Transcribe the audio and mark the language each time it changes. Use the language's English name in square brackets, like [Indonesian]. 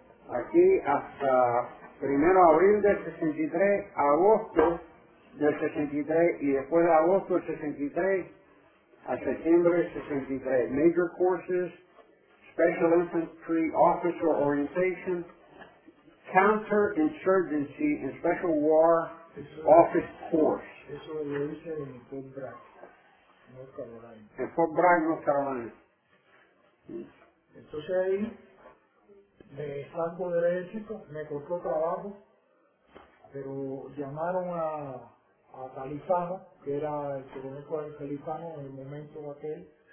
[Spanish] Aquí hasta 1 de abril del 63, agosto del 63 y después de agosto del 63 a septiembre del 63. [English] Major courses: Special Infantry Officer Orientation, Counter Insurgency and Special War Office Course. [Spanish] Eso lo hice en Fort Bragg, North Carolina. En Fort Bragg, North Carolina. Entonces ahí me salgo del ejército, me costó trabajo, pero llamaron a Califano, que era el coronel de Califano en el momento aquel.